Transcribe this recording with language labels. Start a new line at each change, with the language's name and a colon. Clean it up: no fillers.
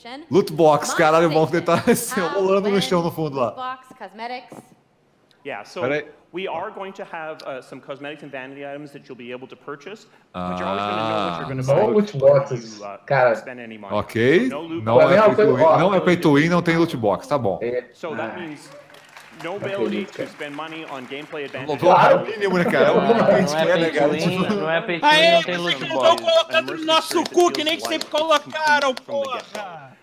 Portuguese: Loot box, caralho, bom que ele tá rolando no chão no fundo lá.
English: Yeah, so we are going to have some cosmetics and vanity items that you'll be able to purchase.
Portuguese: Loot boxes, cara. Ok. Não é pay-to-win, não tem loot box, tá bom.
English: So that means no ability to spend money on gameplay advantage.
Portuguese: Claro, é o mínimo, né, cara? Não é pay-to-win, não tem loot box. vocês que não estão colocando no nosso cookie, nem que sempre colocaram, porra!